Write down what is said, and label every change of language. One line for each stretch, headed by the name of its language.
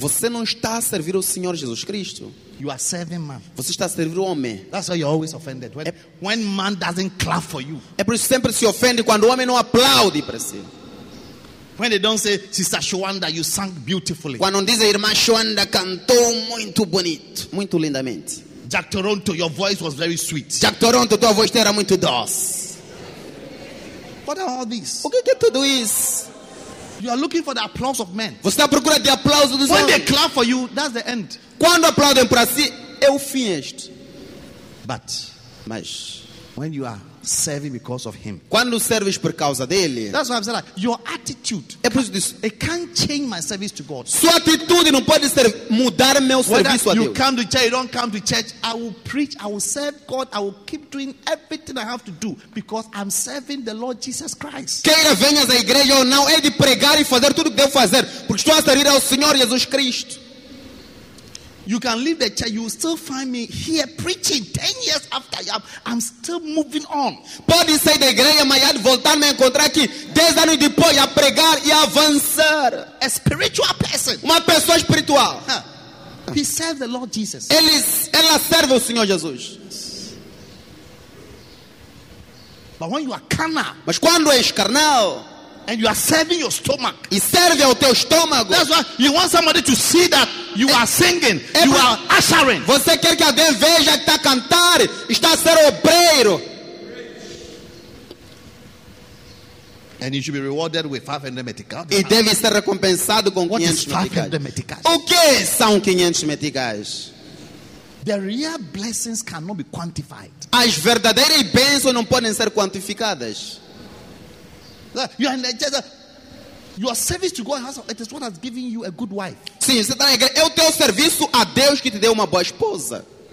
Portuguese: Você não está a servir o Senhor Jesus Cristo.
English: You are serving man.
Portuguese: Você está a servir o homem.
English: That's why you're always offended when man doesn't clap for you.
Portuguese: É por isso que sempre se ofende quando o homem não aplaude para si.
English: When they don't say, Sister Shwanda, you sang beautifully.
Portuguese: Quando não dizem, irmã Shwanda cantou muito bonito, muito lindamente.
English: Jack Toronto, your voice was very sweet.
Portuguese: Jack Toronto, tua voz era muito doce.
English: What are all these?
Portuguese: O que é tudo isso?
English: You are looking for the applause of men.
Portuguese: Você está procurando o aplauso dos homens.
English: When they clap for you, that's the end.
Portuguese: Quando aplaudem para si, é o fim este.
English: But,
Portuguese: mas,
English: when you are serving because of him.
Portuguese: Quando serves por causa dele.
English: That's why I'm saying, like, your attitude.
Portuguese: É por isso disso.
English: It can't change my service to God.
Portuguese: Sua atitude não pode ser mudar meu
English: Whether
Portuguese: serviço a
English: you
Portuguese: Deus.
English: You come to church, you don't come to church. I will preach, I will serve God, I will keep doing everything I have to do because I'm serving the Lord Jesus Christ.
Portuguese: Queira venhas à igreja ou não, é de pregar e fazer tudo o que devo fazer, porque estou a servir ao Senhor Jesus Cristo.
English: You can leave the church, you will still find me here preaching 10 years after I'm still moving on.
Portuguese: Pode sair da igreja, mas há de voltar a me encontrar aqui 10 anos depois a pregar e avançar.
English: A spiritual person.
Portuguese: Uma pessoa espiritual.
English: He serves the Lord Jesus.
Portuguese: Ela serve o Senhor Jesus.
English: But when you are carnal.
Portuguese: Mas quando és carnal.
English: And you are serving your stomach.
Portuguese: E serve ao teu estômago.
English: That's why you want somebody to see that you are singing, you are ushering.
Portuguese: Você quer que alguém veja que está a cantar, está a ser obreiro.
English: And you should be rewarded with 500 meticais.
Portuguese: E deve ser recompensado com 500 meticais. O que são 500 meticais?
English: The real blessings cannot be quantified.
Portuguese: As verdadeiras bênçãos não podem ser quantificadas.
English: You are in the church. Your service to God it is what has given you a good wife.
Portuguese: Sim, você está na igreja. É o teu serviço a Deus que te deu uma boa esposa.